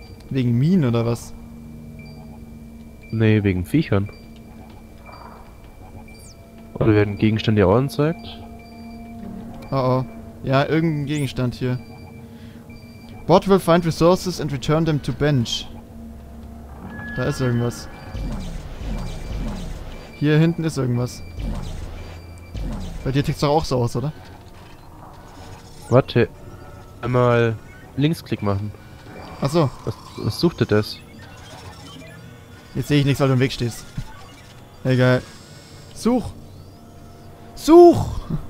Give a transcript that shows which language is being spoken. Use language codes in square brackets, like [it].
[de] Wegen Minen, oder was? Nee, wegen Viechern. Oder werden Gegenstände hier auch angezeigt? Oh oh. Ja, irgendein Gegenstand hier. [en] Bot will find resources and return them to bench. [de] Da ist irgendwas. Hier hinten ist irgendwas. Bei dir tickt's doch auch so aus, oder? Warte. Einmal Linksklick machen. Achso. Was sucht ihr das? Jetzt sehe ich nichts, weil du im Weg stehst. Egal. Such! Such!